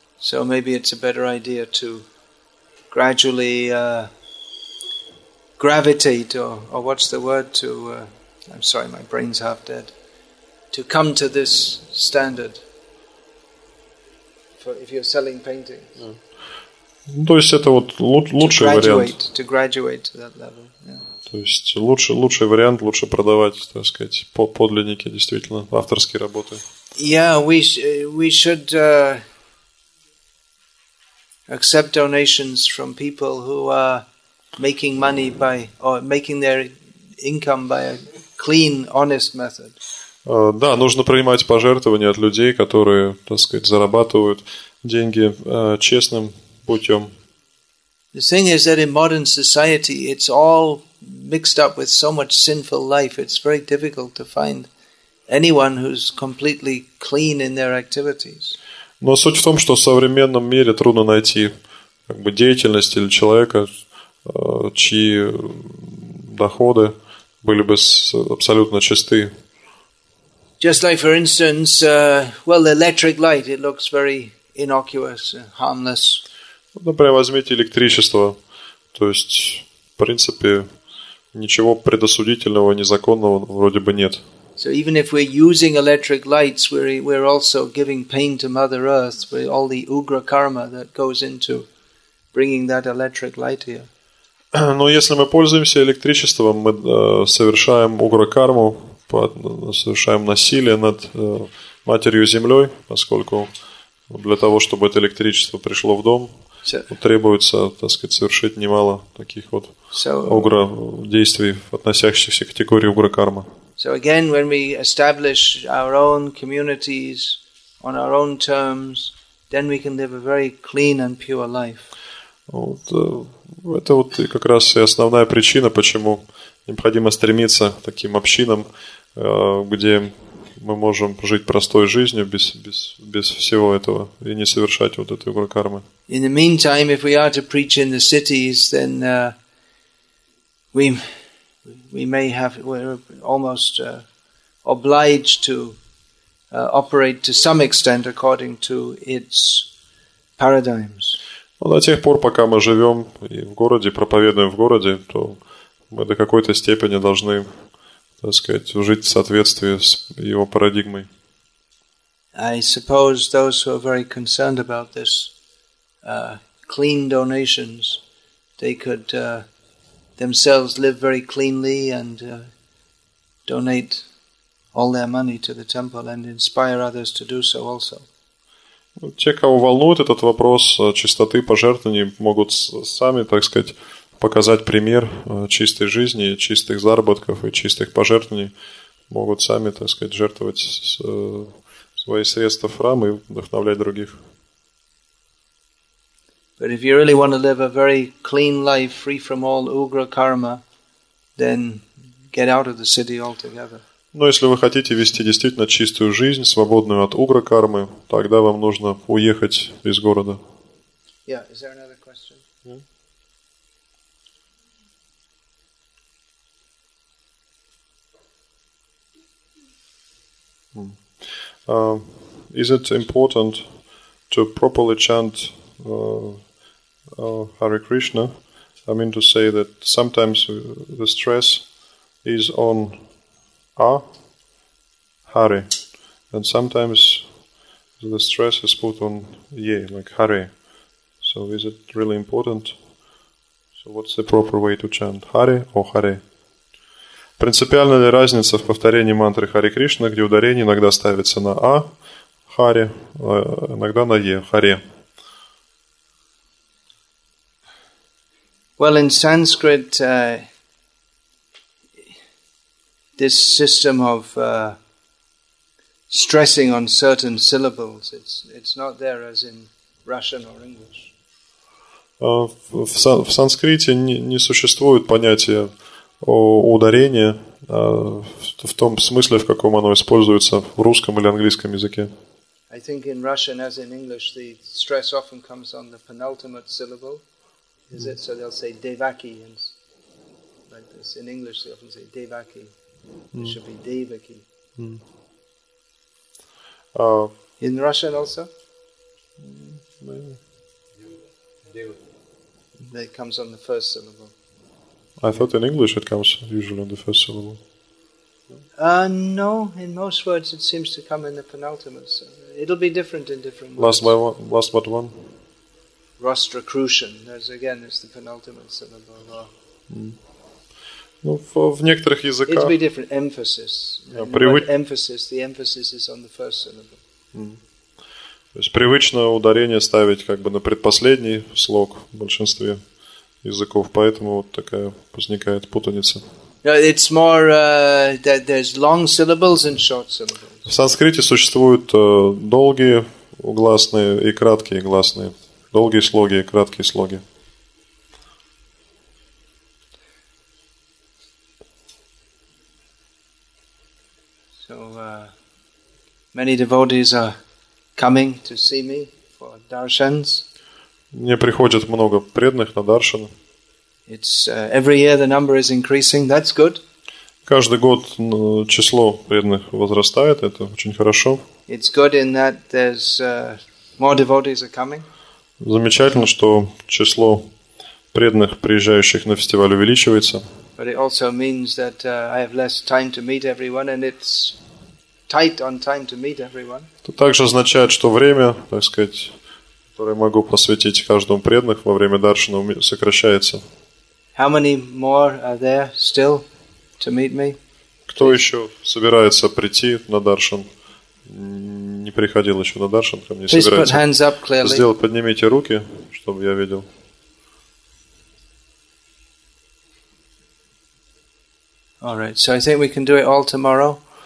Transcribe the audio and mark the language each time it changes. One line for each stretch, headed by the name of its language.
English: So maybe it's a better idea to gradually gravitate, or what's the word to, I'm sorry, my brain's half dead, to come to this standard for if you're selling paintings.
Russian: Ну, то есть это вот лучший вариант.
English: To graduate to that level, yeah.
Russian: То есть лучший вариант, лучше продавать, так сказать, подлинники, действительно, авторские работы.
English: Yeah, we should accept donations from people who are making money by or making their income by a clean, honest method.
Russian: Да, нужно принимать пожертвования от людей, которые, так сказать, зарабатывают деньги честным путем.
English: The thing is that in modern society it's all mixed up with so much sinful life. It's very difficult to find anyone who's completely clean in their activities.
Russian: Но суть в том, что в современном мире трудно найти как бы деятельность или человека, чьи доходы были бы абсолютно чисты.
English: Just like, for instance, well, electric light, it looks very innocuous, harmless.
Russian: Например, возьмите электричество. То есть, в принципе, ничего предосудительного, незаконного вроде бы нет.
English: So even if we're using electric lights, we're also giving pain to Mother Earth with all the ugra karma that goes into bringing that electric light here.
Russian: Но если мы пользуемся электричеством, мы совершаем угра карму, совершаем насилие над матерью землей, поскольку для того, чтобы это электричество пришло в дом, требуется, так сказать, совершить немало таких вот угра действий, относящихся к категории угра карма.
English: So again, when we establish our own communities on our own terms, then we can live a very clean and pure life.
Russian: Вот, это вот и как раз и основная причина, почему необходимо стремиться к таким общинам, где мы можем жить простой жизнью без всего этого и не совершать вот этой угры кармы.
English: In the meantime, if we are to preach in the cities, then we're almost obliged to operate to some extent according to its paradigms.
Russian: Но до тех пор, пока мы живем и в городе, проповедуем в городе, то мы до какой-то степени должны, так сказать, жить в соответствии с его парадигмой.
English: I suppose those who are very concerned about this clean donations, they could themselves live very cleanly and donate all their money to the temple and inspire others to do so also.
Russian: Те, кого волнует этот вопрос чистоты пожертвований, могут сами, так сказать, показать пример чистой жизни, чистых заработков и чистых пожертвований, могут сами, так сказать, жертвовать свои средства в храм и вдохновлять других.
English: But if you really want to live a very clean life, free from all ugra karma, then get out of the city altogether.
Russian: Но если вы хотите вести действительно чистую жизнь, свободную от угра кармы, тогда вам нужно уехать из города.
English: Yeah, is there another question? Is it important to properly chant Hare Krishna? I mean to say that sometimes the stress is on Hare, and sometimes the stress is put on Ye, like Hare. So is it really important? So what's the proper way to chant? Hare or Hare?
Russian: Принципиальна ли разница в повторении мантры Hare Krishna, где ударение иногда ставится на А, Hare, иногда на Е, Hare?
English: Well, in Sanskrit, this system of stressing on certain syllables, it's not there as in Russian or English.
Russian: В санскрите не существует понятия о ударении в том смысле, в каком оно используется в русском или английском языке.
English: I think in Russian, as in English, the stress often comes on the penultimate syllable. Is it? So they'll say Devaki, and like this. In English, they often say Devaki. It should be Devaki. In Russian also? Maybe. It comes on the first syllable. I thought in English it comes usually on the first syllable. No, in most words it seems to come in the penultimate. So it'll be different in different last words. Last but one? Rostrocrucian. There's again, it's the penultimate syllable.
Russian: Ну, в некоторых языках...
English: It'll be different. Emphasis. Emphasis. The emphasis is on the first syllable.
Russian: То есть привычно ударение ставить как бы на предпоследний слог в большинстве языков, поэтому вот такая возникает путаница.
English: It's more that there's long syllables and short syllables.
Russian: В санскрите существуют долгие гласные и краткие гласные. Долгие слоги и краткие слоги.
English: So many devotees are coming to see me for darshans.
Russian: Мне приходит много преданных на даршан.
English: It's every year the number is increasing. That's good.
Russian: Каждый год число преданных возрастает. Это очень хорошо.
English: It's good in that there's more devotees are coming.
Russian: Замечательно, что число преданных приезжающих на фестиваль увеличивается.
English: But it also means that I have less time to meet everyone, and it's tight on time to meet everyone.
Russian: Это также означает, что время, так сказать, которое могу посвятить каждому преданных во время даршана, сокращается.
English: How many more are there still to meet me?
Russian: Кто еще собирается прийти на даршан? Не приходил еще на даршан, ко мне собирается.
English: Please put hands up clearly.
Russian: Сделайте, поднимите руки, чтобы я видел.
English: All right, so I think we can do it all tomorrow.